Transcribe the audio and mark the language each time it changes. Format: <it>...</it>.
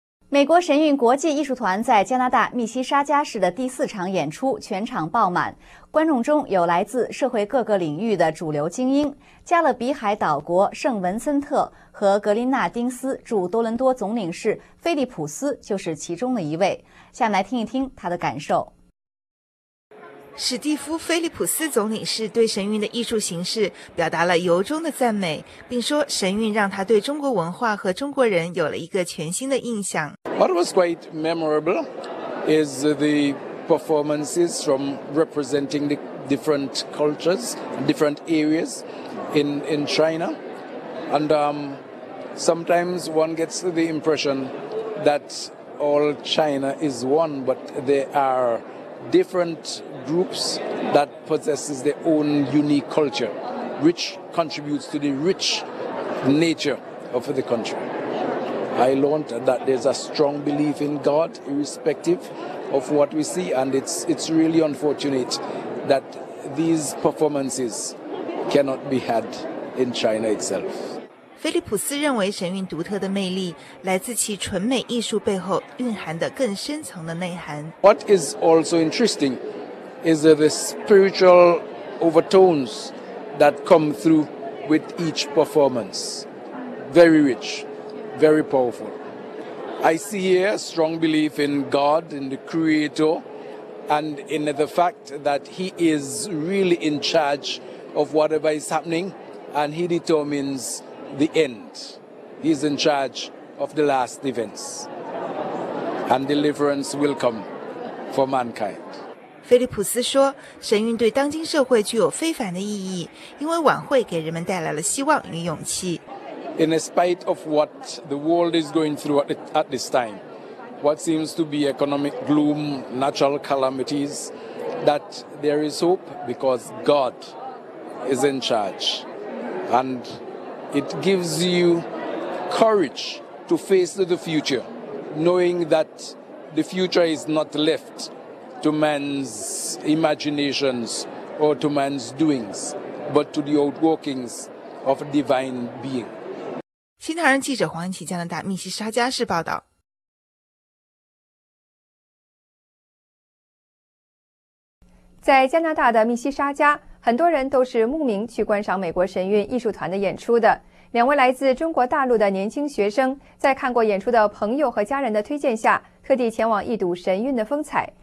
<zh>美国神韵国际艺术团在加拿大密西沙加市的第四场演出全场爆满，观众中有来自社会各个领域的主流精英，加勒比海岛国圣文森特和格林纳丁斯驻多伦多总领事菲利普斯就是其中的一位。下面来听一听他的感受。史蒂夫·菲利普斯总领事对神韵的艺术形式表达了由衷的赞美，并说神韵让他对中国文化和中国人有了一个全新的印象。</zh> <en>What was quite memorable is the performances from representing the different cultures, different areas in China. And sometimes one gets the impression that all China is one, but there are different groups that possesses their own unique culture, which contributes to the rich nature of the country. I learned that there's a strong belief in God, irrespective of what we see, and it's really unfortunate that these performances cannot be had in China itself.</en> <zh>菲利普斯认为神韵独特的魅力来自其纯美艺术背后蕴含的更深层的内涵。</zh> <en>What is also interesting is the spiritual overtones that come through with each performance. Very rich, very powerful. I see here a strong belief in God, in the creator, and in the fact that he is really in charge of whatever is happening, and he determines the end. He is in charge of the last events, and deliverance will come for mankind.</en> <zh>菲利普斯说，神韵对当今社会具有非凡的意义，因为晚会给人们带来了希望与勇气。</zh> <en>In spite of what the world is going through at this time, what seems to be economic gloom, natural calamities, that there is hope because God is in charge, and it gives you courage to face the future, knowing that the future is not left to man's imaginations or to man's doings, but to the outworkings of a divine being.</en> <zh>新唐人记者黄琦，加拿大密西沙加市报道。在加拿大的密西沙加，很多人都是慕名去观赏美国神韵艺术团的演出的。两位来自中国大陆的年轻学生，在看过演出的朋友和家人的推荐下，特地前往一睹神韵的风采。</zh>